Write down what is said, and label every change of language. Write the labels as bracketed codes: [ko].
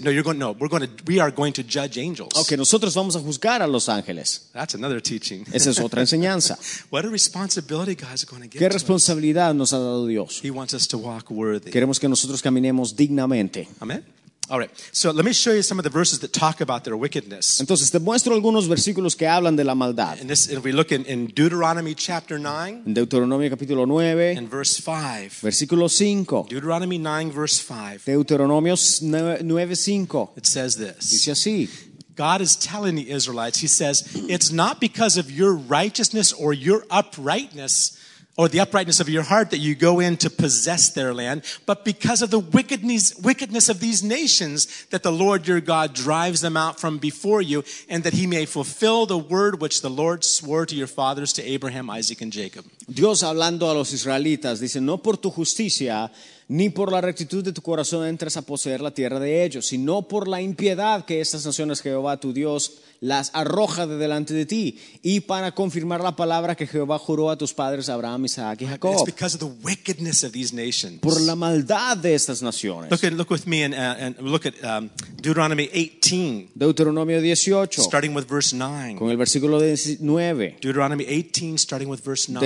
[en] No, you're going. No, we are going to judge angels. [es] Okay, nosotros vamos a juzgar a los ángeles. [en] That's another teaching. [es] Esa es otra enseñanza. [en] What a responsibility God is going to give. [es] Qué responsabilidad nos ha dado Dios. [en] He wants us to walk worthy. [es] Queremos que nosotros caminemos dignamente. [en] Amen. All right. So let me show you some of the verses that talk about their wickedness. [es] Entonces te muestro algunos versículos que hablan de la maldad. [en] And this, if we look in Deuteronomy chapter 9, [es] Deuteronomio capítulo 9, [en] and verse 5, [es] versículo 5, [en] Deuteronomy 9 verse 5, [es] Deuteronomio 9, 5, [en] it says this. [es] Dice así. [en] God is telling the Israelites. He says, "It's not because of your righteousness or your uprightness or the uprightness of your heart that you go in to possess their land, but because of the wickedness of these nations that the Lord your God drives them out from before you, and that he may fulfill the word which the Lord swore to your fathers, to Abraham, Isaac, and Jacob. [es] Dios hablando a los israelitas dice, no por tu justicia ni por la rectitud de tu corazón entres a poseer la tierra de ellos, sino por la impiedad que estas naciones Jehová tu Dios las arroja de delante de ti, y para confirmar la palabra que Jehová juró a tus padres Abraham, Isaac y Jacob. [en] It's because of the wickedness of these nations. [es] Por la maldad de estas naciones. [en] Look with me and look at Deuteronomy 18. [es] Deuteronomio 18. [en] Starting with verse 9. [es] Con el versículo 9. [en] Deuteronomy 18, starting with verse 9.